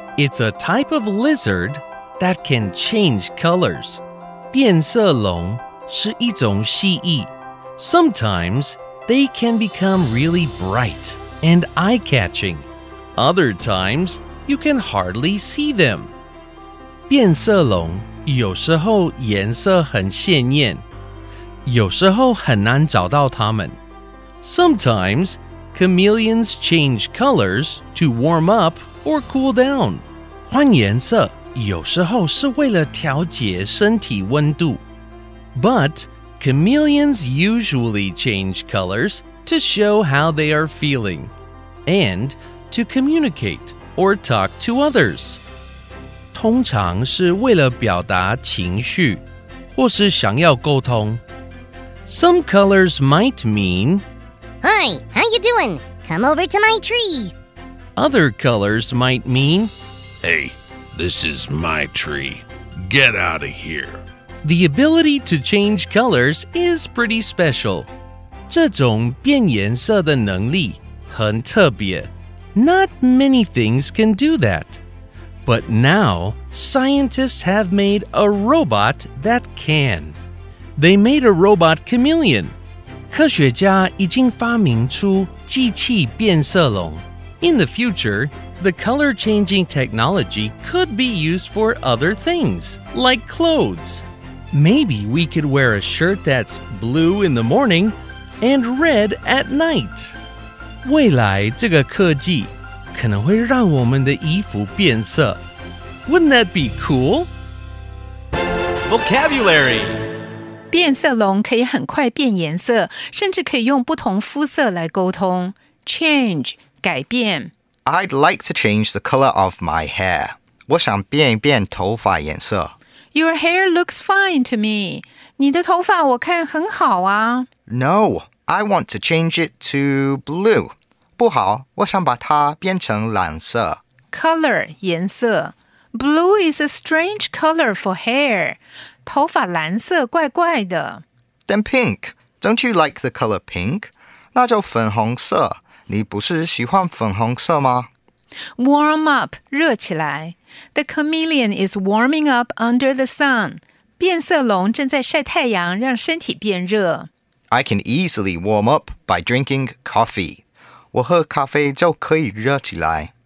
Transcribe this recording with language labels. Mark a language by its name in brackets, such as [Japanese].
[English] It's a type of lizard that can change colors. [Chinese] 变色龙是一种蜥蜴。 [English] Sometimes, they can become really bright and eye-catching. Other times, you can hardly see them. [Chinese] 变色龙有时候颜色很鲜艳。有时候很难找到它们。 [English] Sometimes, chameleons change colors to warm up or cool down. [Chinese] 换颜色有时候是为了调节身体温度。 [English] But, chameleons usually change colors to show how they are feeling and to communicate or talk to others. [Chinese] 通常是为了表达情绪或是想要沟通。 [English] Some colors might mean, Hi, how you doing? Come over to my tree. Other colors might mean, Hey, this is my tree. Get out of here. The ability to change colors is pretty special. [Chinese] 这种变颜色的能力很特别。 [English] Not many things can do that. But now, scientists have made a robot that can. They made a robot chameleon. [Chinese] 科学家已经发明出机器变色龙。 [English] In the future, the color-changing technology could be used for other things, like clothes. Maybe we could wear a shirt that's blue in the morning and red at night. [Chinese] 未来这个科技可能会让我们的衣服变色。 [English] Wouldn't that be cool? Vocabulary. [Chinese] 变色龙可以很快变颜色，甚至可以用不同肤色来沟通。 [English] Change, [Chinese] 改变。 [English] I'd like to change the color of my hair. [Chinese] 我想变一变头发颜色。 [English] Your hair looks fine to me. [Chinese] 你的头发我看很好啊。 [English] No, I want to change it to blue. [Chinese] 不好，我想把它变成蓝色。 [English] Color, [Chinese] 颜色。 [English] Blue is a strange color for hair. [Chinese] 头发蓝色怪怪的。 [English] Then pink. Don't you like the color pink? [Chinese] 那就粉红色。你不是喜欢粉红色吗？ [English] Warm up. [Chinese] 热起来。 [English] The chameleon is warming up under the sun. [Chinese] 变色龙正在晒太阳让身体变热。 [English] I can easily warm up by drinking coffee. [Chinese] 我喝咖啡就可以热起来。